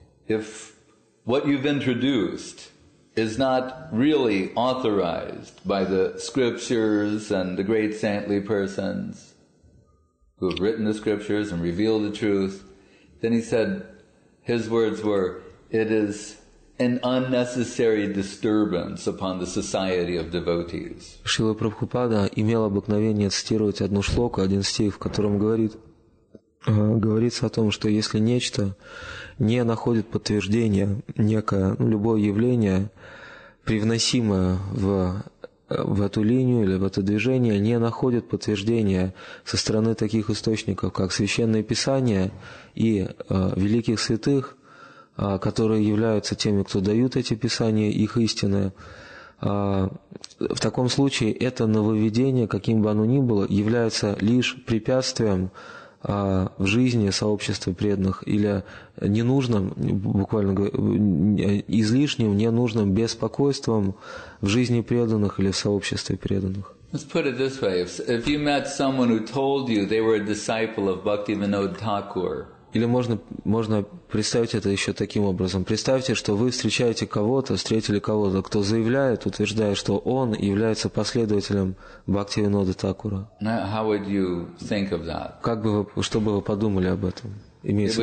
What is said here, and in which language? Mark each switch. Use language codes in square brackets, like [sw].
[en] If what you've introduced is not really authorized by the scriptures and the great saintly persons who have written the scriptures and revealed the truth, then he said, his words were, it is an unnecessary disturbance upon the society of devotees. [ru] Шрила Прабхупада имел обыкновение цитировать одну шлоку, один стих, в котором говорится о том, что если нечто не находит подтверждения, некое любое явление, привносимое в эту линию или в это движение, не находит подтверждения со стороны таких источников, как Священное Писание и великих святых, которые являются теми, кто дают эти писания, их истины, в таком случае это нововведение, каким бы оно ни было, является лишь препятствием в жизни сообщества преданных или ненужным, буквально говоря, излишним, ненужным беспокойством в жизни преданных или в сообществе преданных. [en] Let's put it this way. If you met someone who told you they were a disciple of Bhaktivinoda Thakur, [ru] или можно представить это еще таким образом. Представьте, что вы встретили кого-то, кто заявляет, утверждая, что он является последователем Бхактивинода Такура. [en] How would you think of that? [ru] Что бы вы подумали об этом? Имеется